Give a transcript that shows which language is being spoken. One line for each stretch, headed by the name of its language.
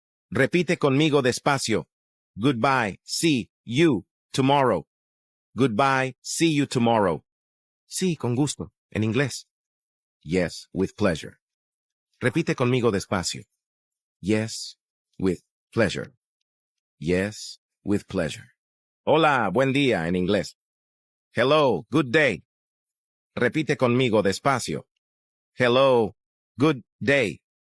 Spanish: Repite conmigo despacio.
English: Goodbye, see you tomorrow. Goodbye, see you tomorrow.
Spanish: Sí, con gusto, en inglés.
English: Yes, with pleasure.
Spanish: Repite conmigo despacio.
English: Yes, with pleasure. Yes, with pleasure.
Spanish: Hola, buen día en inglés.
English: Hello, good day.
Spanish: Repite conmigo despacio.
English: Hello, good day.